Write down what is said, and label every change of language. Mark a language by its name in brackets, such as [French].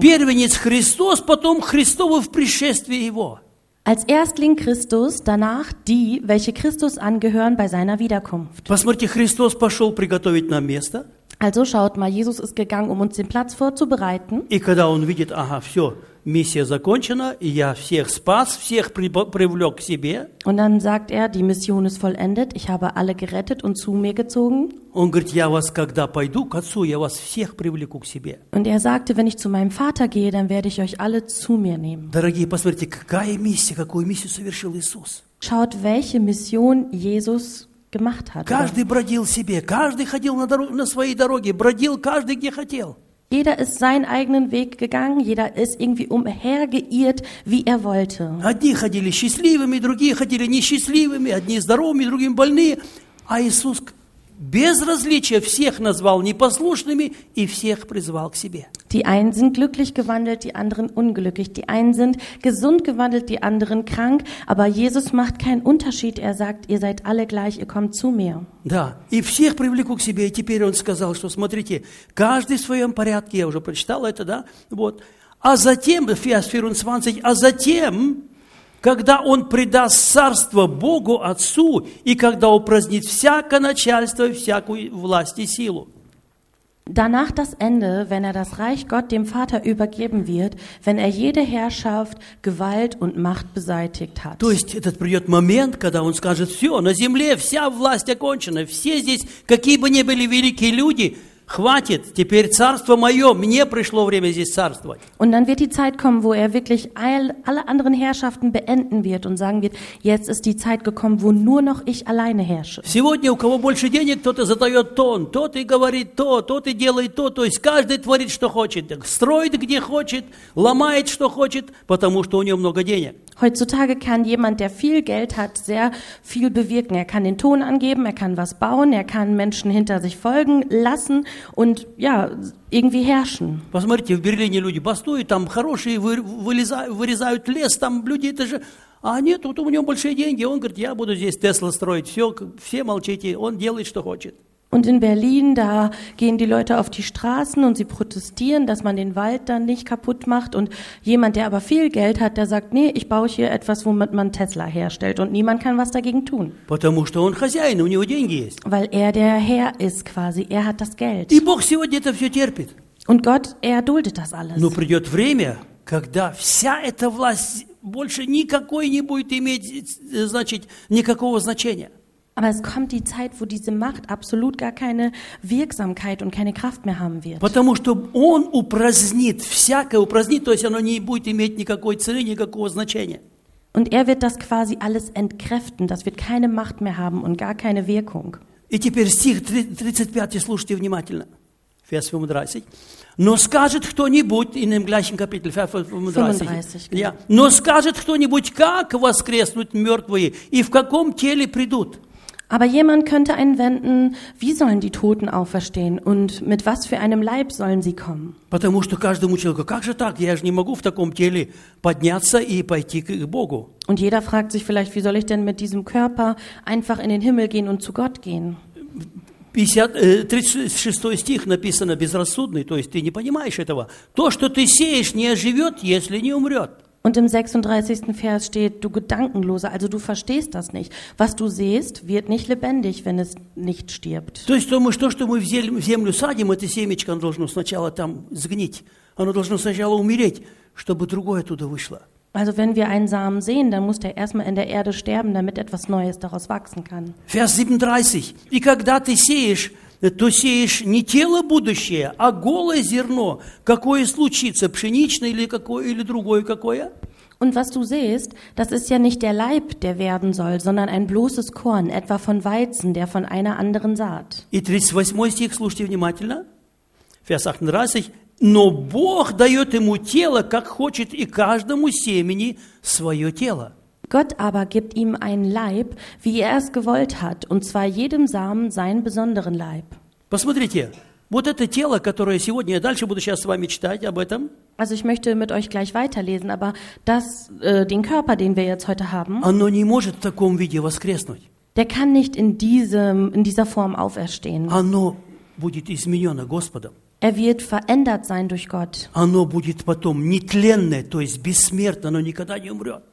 [Russian] Первенец Христос, потом Христовы в пришествии Его. [German] Als Erstling Christus, danach die, welche Christus angehören bei seiner Wiederkunft. [Russian] Посмотрите, Христос пошел приготовить нам место. [German] Also schaut mal, Jesus ist gegangen, um uns den Platz vorzubereiten. [Russian] И когда он видит, ага, все, миссия закончена, я всех спас, всех привлек к себе. [German] Und dann sagt er, die Mission ist vollendet, ich habe alle gerettet und zu mir gezogen. [Russian] Он говорит, я вас, когда пойду к Отцу, я вас всех привлеку к себе. [German] Und er sagte, wenn ich zu meinem Vater gehe, dann werde ich euch alle zu mir nehmen. [Russian] Дорогие, посмотрите, какая миссия, какую миссию совершил Иисус. [German] Schaut, welche Mission Jesus gemacht hat. [Russian] Каждый бродил себе, каждый ходил на своей дороге, бродил каждый, где хотел. [German] Jeder ist seinen eigenen Weg gegangen, jeder ist irgendwie umhergeirrt, wie er wollte. [Russian] Одни ходили счастливыми, другие ходили несчастливыми, одни здоровыми, другие больные. А Иисус без различия всех назвал непослушными и всех призвал к себе. [German] Die einen sind glücklich gewandelt, die anderen unglücklich. Die einen sind gesund gewandelt, die anderen krank. Aber Jesus macht keinen Unterschied. Er sagt, ihr seid alle gleich, ihr kommt zu mir. [Russian] Да, и всех привлеку к себе. И теперь он сказал, что смотрите, каждый в своем порядке. Я уже прочитал это, да? Вот. А затем, Фиас 24, а затем, когда он предаст царство Богу Отцу, и когда упразднит всякое начальство и всякую власть и силу. [German] Danach das Ende, wenn er das Reich Gott dem Vater übergeben wird, wenn er jede Herrschaft, Gewalt und Macht beseitigt hat. [Russian] То есть этот придет момент, когда он скажет, все, на земле вся власть окончена, все здесь, какие бы ни были великие люди, хватит, теперь царство мое, мне пришло время здесь царствовать. [German] Und dann wird die Zeit kommen, wo er wirklich alle anderen Herrschaften beenden wird und sagen wird, jetzt ist die Zeit gekommen, wo nur noch ich alleine herrsche. [Russian] Сегодня у кого больше денег, тот и задает тон, тот и говорит то, тот и делает то, то есть каждый творит, что хочет, строит, где хочет, ломает, что хочет, потому что у него много денег. [German] Heutzutage kann jemand, der viel Geld hat, sehr viel bewirken. Er kann den Ton angeben, er kann was bauen, er kann Menschen hinter sich folgen lassen und ja, irgendwie herrschen. [Russian] Посмотрите, в Берлине люди бастуют, там хорошие вырезают лес, там люди это же... А нет, вот у него большие деньги, он говорит, я буду здесь Тесла строить, все, все молчите, он делает, что хочет. [German] Und in Berlin, da gehen die Leute auf die Straßen und sie protestieren, dass man den Wald dann nicht kaputt macht. Und jemand, der aber viel Geld hat, der sagt, nee, ich baue hier etwas, womit man Tesla herstellt. Und niemand kann was dagegen tun. [Russian] Потому что он хозяин, у него деньги есть. [German] Weil er der Herr ist quasi, er hat das Geld. [Russian] И Бог сегодня это все терпит. [German] Und Gott, er duldet das alles. [Russian] Но придет время, когда вся эта власть больше никакой не будет иметь, значит, никакого значения. [German] Aber es kommt die Zeit, wo diese Macht absolut gar keine Wirksamkeit und keine Kraft mehr haben wird. [Russian] Потому что он упразднит всякое, упразднит, то есть оно не будет иметь никакой цели, никакого значения. [German] Und er wird das quasi alles entkräften, das wird keine Macht mehr haben und gar keine Wirkung. [Russian] И теперь стих 35, слушайте внимательно. [German] Vers 35. [Russian] Но скажет кто-нибудь, [German] in dem gleichen Kapitel, Vers 35. Ja. [Russian] Но скажет кто-нибудь, как воскреснут мертвые и в каком теле придут? [German] Aber jemand könnte einwenden, wie sollen die Toten auferstehen und mit was für einem Leib sollen sie kommen? [Russian] Потому что каждому человеку, как же так, я же не могу в таком теле подняться и пойти к Богу. [German] Und jeder fragt sich vielleicht, wie soll ich denn mit diesem Körper einfach in den Himmel gehen und zu Gott gehen? [Russian] 36 стих написано «безрассудный», то есть ты не понимаешь этого. «То, что ты сеешь, не оживет, если не умрет». [German] Und im 36. Vers steht, du Gedankenloser, also du verstehst das nicht. Was du siehst, wird nicht lebendig, wenn es nicht stirbt. [Russian] То есть то, что мы в землю садим, это семечко, оно должно сначала там сгнить. Оно должно сначала умереть, чтобы другое оттуда вышло. [German] Also wenn wir einen Samen sehen, dann muss der erstmal in der Erde sterben, damit etwas Neues daraus wachsen kann. Vers 37. [Russian] И когда ты сеешь, то сеешь не тело будущее, а голое зерно, какое случится, пшеничное или какое, или другое какое? [German] Und was du siehst, das ist ja nicht der Leib, der werden soll, sondern ein bloßes Korn, etwa von Weizen, der von einer anderen Saat. [Russian] И 38 стих, слушайте внимательно. [German] Vers 38. [Russian] Но Бог дает ему тело, как хочет, и каждому семени свое тело. [German] Gott aber gibt ihm einen Leib, wie es gewollt hat, und zwar jedem Samen seinen besonderen Leib. [Russian] Посмотрите, вот это тело, которое сегодня, я дальше буду сейчас с вами читать об этом. [German] Also ich möchte mit euch gleich weiterlesen, aber das, den Körper, den wir jetzt heute haben, [Russian] оно не может в таком виде воскреснуть. [German] Der kann nicht in dieser Form auferstehen. [Russian] Оно будет изменено Господом. [German] Er wird verändert sein durch Gott. [Russian] Оно будет потом нетленное, то есть бессмертно, оно никогда не умрет.